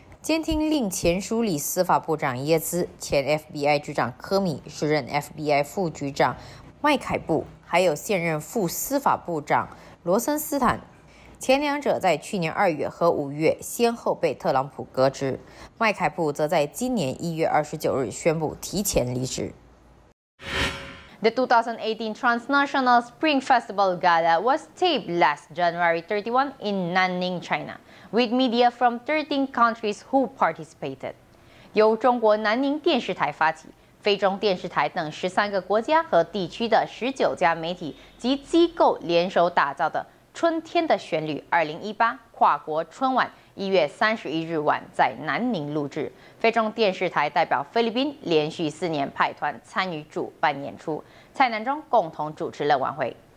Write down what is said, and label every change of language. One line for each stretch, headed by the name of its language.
Chinese: 监听令前署理司法部长耶兹、前 FBI 局长科米、时任 FBI 副局长麦凯布，还有现任副司法部长罗森斯坦，前两者在去年2月和5月先后被特朗普革职，麦凯布则在今年1月29日宣布提前离职。
English: The 2018 Transnational Spring Festival Gala was taped last January 31 in Nanning, China, with media from 13 countries who participated.
Chinese: 由中国南宁电视台发起，非洲电视台等13个国家和地区的19家媒体及机构联手打造的春天的旋律2018跨国春晚1月31日晚在南宁录制。非中电视台代表菲律宾连续4年派团参与主办演出，蔡南中共同主持了晚会。